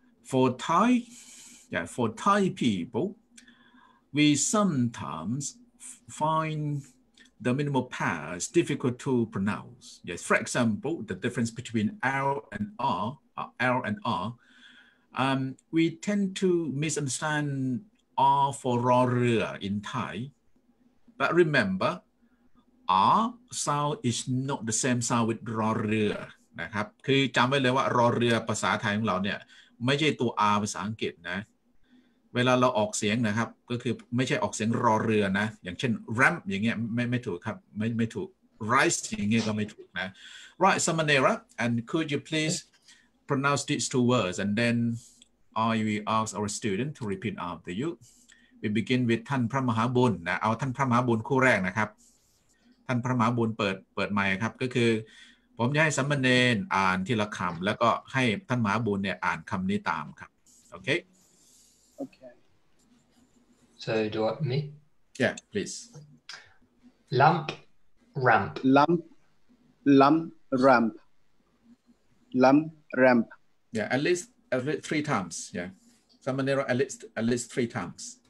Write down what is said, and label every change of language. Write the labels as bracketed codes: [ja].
[en] for Thai yeah for Thai people we sometimes find the minimal past difficult to pronounce yes for example the difference between L and R L and Rwe tend to misunderstand R for ra rua in Thai. But remember, R sound is not the same sound with ra rua. [th] นะครับคือจำไว้เลยว่าra rua ภาษาไทยของเราเนี่ยไม่ใช่ตัว R ภาษาอังกฤษนะเวลาเราออกเสียงนะครับก็คือไม่ใช่ออกเสียงra rua นะอย่างเช่น ramp อย่างเงี้ยไม่ถูกครับไม่ถูก rise อย่างเงี้ยก็ไม่ถูกนะ [en] Right, Samanera, and could you pleasePronounce these two words, and then I will ask our student to repeat after you. We begin with [th] ท่านพระมหาบุญนะเอาท่านพระมหาบุญคู่แรกนะครับท่านพระมหาบุญเปิดไมค์ครับก็คือผมจะให้สัมมณีอ่านทีละคำแล้วก็ให้ท่านมหาบุญเนี่ยอ่านคำนี้ตามครับโอเค โอเค [en] so do you want me yeah please lump ramp lump lump ramp lumpRamp. Yeah, at least three times. Yeah. Samanera, at least three times.